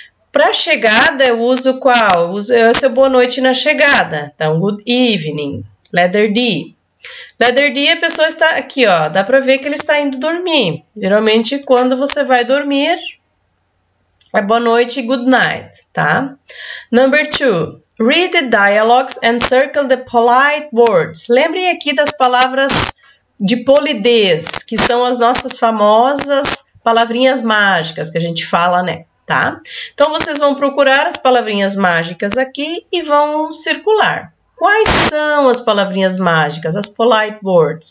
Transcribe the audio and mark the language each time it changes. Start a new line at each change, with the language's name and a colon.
Portuguese: Para chegada, eu uso qual? Eu uso boa noite na chegada. Então,
English: good evening. Letter D. Letter D,
Portuguese: a pessoa está aqui, ó. Dá para ver que ele está indo dormir. Geralmente, quando você vai dormir, é boa noite e
English: good night,
Portuguese: tá?
English: Number two, read the dialogues and circle the polite words.
Portuguese: Lembrem aqui das palavras de polidez, que são as nossas famosas palavrinhas mágicas que a gente fala, né? Tá? Então vocês vão procurar as palavrinhas mágicas aqui e vão circular. Quais são as palavrinhas mágicas, as
English: polite words?